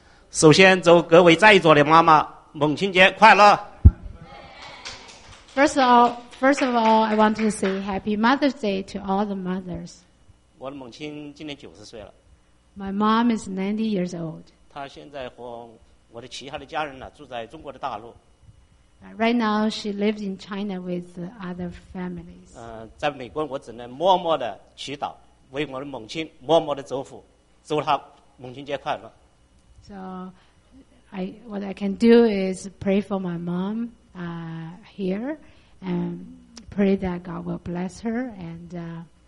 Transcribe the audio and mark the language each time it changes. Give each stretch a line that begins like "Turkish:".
Chinese: 首先祝各位在座的妈妈母亲节快乐。
English: First of all, I want to say Happy Mother's Day to all the mothers.
Chinese: 我的母亲今年九十岁了。
English: My mom is 90 years old.
Chinese: 她现在和我的其他的家人呢，住在中国的大陆。
English: Right now, she lives in China with other families.
Chinese: 在美国，我只能默默的祈祷，为我的母亲默默的祝福，祝她母亲节快乐。
English: So, what I can do is pray for my mom here, and pray that God will bless her, and